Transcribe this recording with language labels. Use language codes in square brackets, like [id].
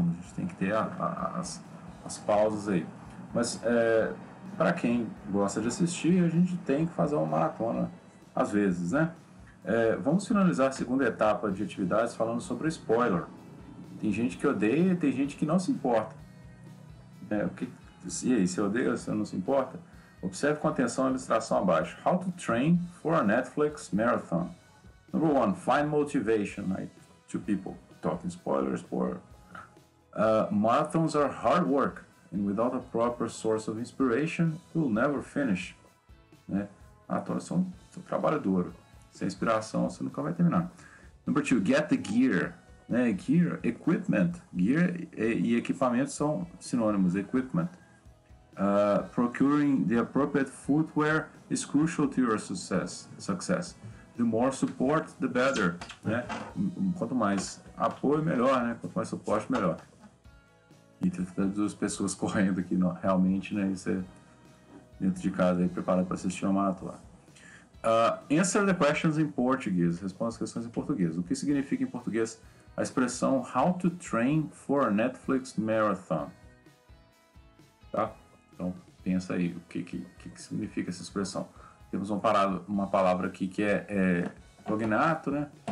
[pt] A gente tem que ter as pausas aí. Mas para quem gosta de assistir, a gente tem que fazer uma maratona às vezes, né? É, vamos finalizar a segunda etapa de atividades falando sobre spoiler. Tem gente que odeia e tem gente que não se importa. É, o que, e aí, você odeia ou você não se importa? Observe com atenção a ilustração abaixo. [en] How to train for a Netflix marathon. Number one, find motivation. Right? Two people talking spoilers. Marathons are hard work, and without a proper source of inspiration, you'll never finish. [pt] Né? Marathons são trabalho duro. Sem inspiração, você nunca vai terminar. [en] Number two, get the gear. [pt] Né? [en] Gear, equipment. [pt] Gear e equipamento são sinônimos, equipment. [en] Procuring the appropriate footwear is crucial to your success. The more support, the better. [pt] Né? Quanto mais apoio, melhor. Né? Quanto mais suporte, melhor. E tem duas pessoas correndo aqui, não, realmente, né? Isso é dentro de casa, aí, preparado para assistir uma maratona. [en] Answer the questions in Portuguese. [pt] Responda as questões em português. O que significa em português a expressão [en] how to train for a Netflix marathon? [pt] Tá? Então, pensa aí o que significa essa expressão. Temos uma palavra aqui que é cognato, né?